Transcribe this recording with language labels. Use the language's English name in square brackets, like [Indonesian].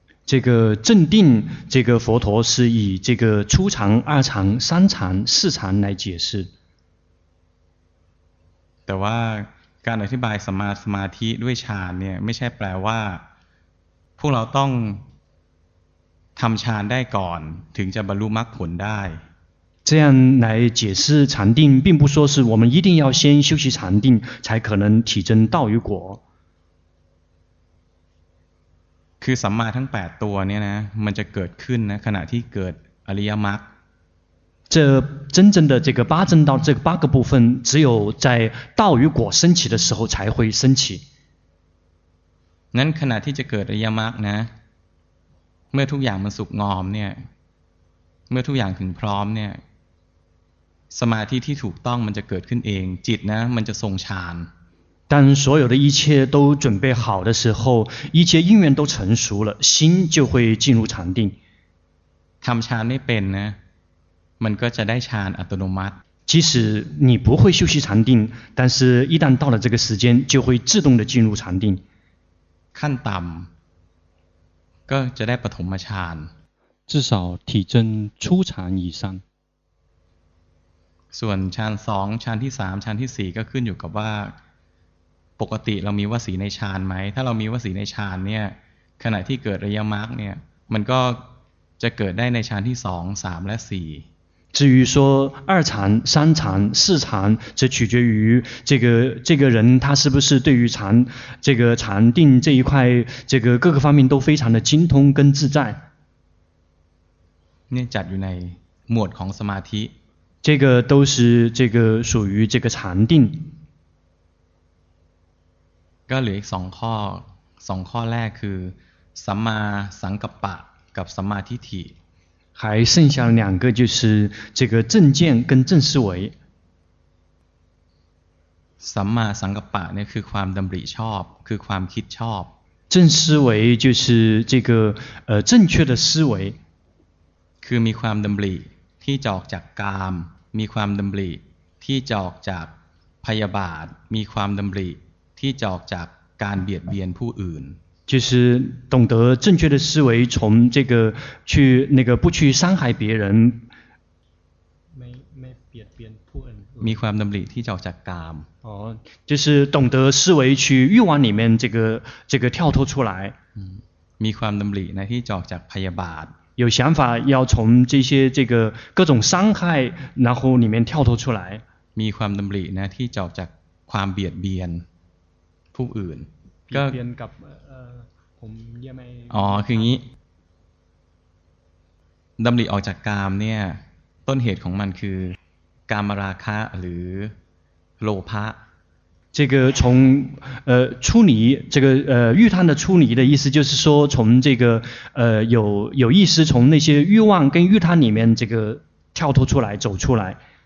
[Chinese] 这个正定这个佛陀是以这个初禅二禅三禅四禅来解释 [Thai] แต่ว่าการอธิบายสัมมาสมาธิด้วยฌานเนี่ยไม่ใช่แปลว่าพวกเราต้องทำฌานได้ก่อนถึงจะบรรลุมรรคผลได้ [Chinese] 这样来解释禅定并不说是我们一定要先修习禅定才可能体证道与果 [Thai] คือสัมมาทั้ง8ตัวเนี่ยนะมันจะเกิดขึ้นนะขณะที่เกิดอริยมรรค [Chinese] 这真正的这个八正道这个八个部分只有在道与果升起的时候才会升起 [Thai] งั้นขณะที่จะเกิดอริยมรรคนะเมื่อทุกอย่างมันสุกงอมเนี่ยเมื่อทุกอย่างถึงพร้อมเนี่ยสมาธิที่ถูกต้องมันจะเกิดขึ้นเองจิตนะมันจะทรงฌาน [Chinese] 当所有的一切都准备好的时候一切因缘都成熟了心就会进入禅定 [Thai] ทำฌานไม่เป็นนะมันก็จะได้ฌานอัตโนมัติ [Chinese] 即使你不会修习禅定但是一旦到了这个时间就会自动的进入禅定 [Thai] ขั้นต่ำก็จะได้ปฐมฌาน [Chinese] 至少体证初禅以上 [Thai] ส่วนฌาน2ฌานที่3ฌานที่4ก็ขึ้นอยู่กับว่าปกติเรามีวสีในฌานไหมถ้าเรามีวสีในฌานเนี่ยขณะที่เกิดอริยมรรคเนี่ยมันก็จะเกิดได้ในฌานที่2 3และ4 [Chinese] 至于说二禅、三禅、四禅，这取决于这个人他是不是对于禅这个禅定这一块这个各个方面都非常的精通跟自在。 [Thai] 那จัดอยู่ในหมวดของสมาธิ [Chinese] 这个都是这个属于这个禅定。 [Thai] ก็เหลืออีกสองข้อสองข้อแรกคือสัมมาสังกัปปะกับสัมมาทิฏฐิ [Chinese] 还剩下两个就是这个正见跟正思维 [Thai] สัมมาสังกัปปะเนี่ยคือความดำริชอบคือความคิดชอบ [Chinese] 正思维就是这个正确的思维 [Thai] คือมีความดำริที่จอกจากกามมีความดำริที่จอกจากพยาบาทมีความดำริที่จอกจากการเบียดเบียนผู้อื่น [Chinese] 就是懂得正确的思维从这个去那个不去伤害别人没没贬贬不恩 [Thai] มีความดำริที่จะออกจากกาม [Chinese] 哦，就是懂得思维去欲望里面这个跳脱出来。 [Thai] มีความดำริในที่จะออกจากพยาบาท。 [Chinese] 有想法要从这些各种伤害然后里面跳脱出来。 [Thai] มีความดำริในที่จะออกจากความเบียดเบียนผู้อื่น。 เบียนกับผมยังไม่。 อ๋อคืองี้ดำริออกจากกามเนี่ยต้นเหตุของมันคือกามราคะหรือโลภะ [Chinese] 这个从出离这个欲贪的出离的意思就是说从这个有意识从那些欲望跟欲贪里面这个跳脱出来走出来